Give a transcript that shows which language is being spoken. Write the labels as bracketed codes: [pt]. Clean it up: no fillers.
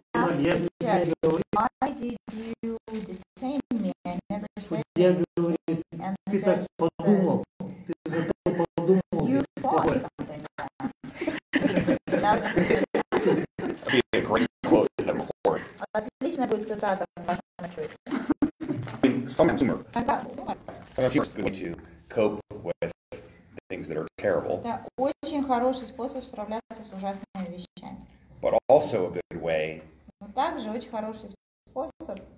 [en] Why did you detain me? I never said anything. And the judge said, you thought something wrong. Now the That'd be a great quote in the report. [ru] Отличная будет цитата в вашем отчете. [en] Sometimes humor. Sometimes humor is good to cope with things that are terrible. [ru] Это очень хороший способ справляться с ужасными вещами. [en] But also a good way. [ru] Но также очень хороший способ.